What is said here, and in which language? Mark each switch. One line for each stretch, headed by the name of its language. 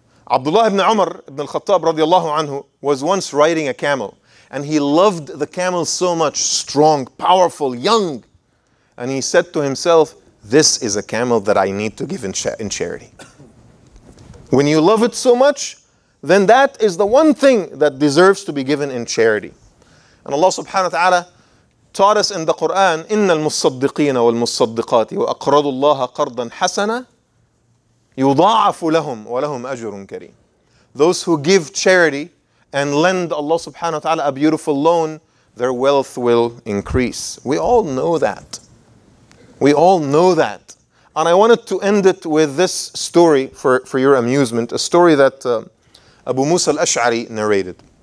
English: Abdullah ibn Umar ibn al-Khattab radiallahu anhu was once riding a camel and he loved the camel so much, strong, powerful, young. And he said to himself, this is a camel that I need to give in charity. When you love it so much, then that is the one thing that deserves to be given in charity. And Allah subhanahu wa ta'ala taught us in the Quran,
Arabic: إِنَّ الْمُصَّدِّقِينَ وَالْمُصَّدِّقَاتِ وَأَقْرَضُوا اللَّهَ قَرْضًا حَسَنًا يُضَاعَفُ لَهُمْ وَلَهُمْ أَجْرٌ كَرِيمٌ.
English: Those who give charity and lend Allah subhanahu wa ta'ala a beautiful loan, their wealth will increase. We all know that. We all know that. And I wanted to end it with this story for your amusement, a story that Abu Musa al-Ash'ari narrated.